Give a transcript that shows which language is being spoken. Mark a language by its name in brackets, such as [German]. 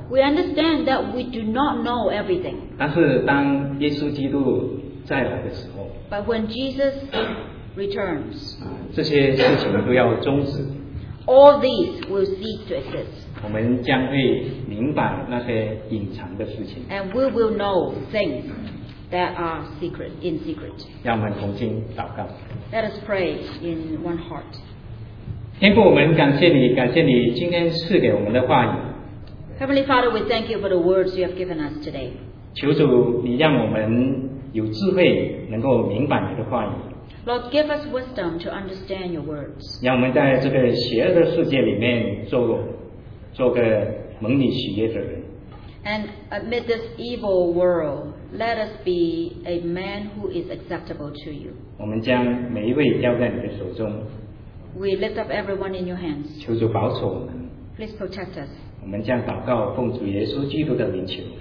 [English] We understand that we do not know everything. [Chinese] 但是当耶稣基督再来的时候 [English] ，But when Jesus returns, [Chinese] 这些事情都要终止。 [English] All these will cease to exist. [Chinese] 我们将会明白那些隐藏的事情。 [English] And we will know things that are secret in secret. [Chinese] 让我们同心祷告。 [English] Let us pray in one heart. [Chinese] 天父，我们感谢你，感谢你今天赐给我们的话语。 [English] Heavenly Father, we thank you for the words you have given us today. [Chinese] 求主你让我们有智慧能够明白你的话语。 [English] Lord, give us wisdom to understand your words. [Chinese] 让我们在这个邪恶的世界里面做个蒙你喜悦的人。 [English] And amid this evil world, let us be a man who is acceptable to you. [Chinese] 我们将每一位交在你的手中。 [English] We lift up everyone in your hands. [Chinese] 求主保守我们。 [English] Please protect us. [Chinese] 我们将祷告奉主耶稣基督的名求。